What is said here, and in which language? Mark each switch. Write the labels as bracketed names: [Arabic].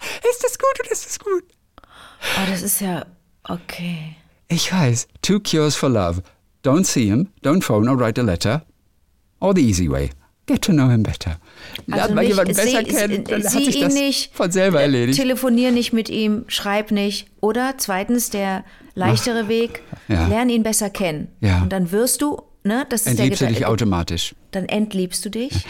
[German] Ist das gut oder ist das gut? Oh, das ist ja okay. Ich weiß, [English] two cures for love. Don't see him, don't phone or write a letter. Or the easy way. Get to know him better. [German] Lass mal jemanden besser kennen, dann hat sich das von selber erledigt. Telefonier nicht mit ihm, schreib nicht. Oder zweitens, der leichtere Weg, lern ihn besser kennen. Ja. Und dann wirst du, ne, das ist entliebst du dich automatisch. Dann entliebst du dich.